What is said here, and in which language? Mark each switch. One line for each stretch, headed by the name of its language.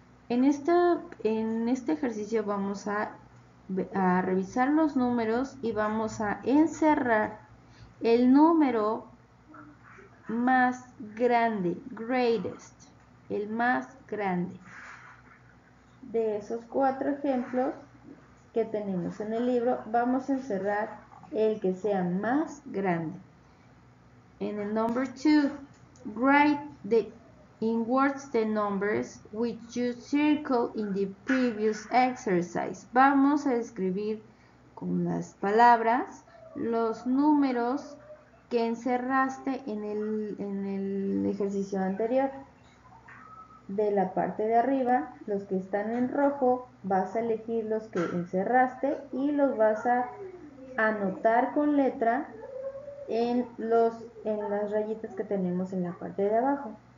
Spanish: En este ejercicio vamos a revisar los números y vamos a encerrar el número más grande, greatest, el más grande. de esos cuatro ejemplos que tenemos en el libro, vamos a encerrar el que sea más grande. En el
English: number 2, write in words the numbers which you circled in the previous exercise.
Spanish: Vamos a escribir con las palabras los números que encerraste en el ejercicio anterior. De la parte de arriba, los que están en rojo, vas a elegir los que encerraste y los vas a anotar con letra en las rayitas que tenemos en la parte de abajo.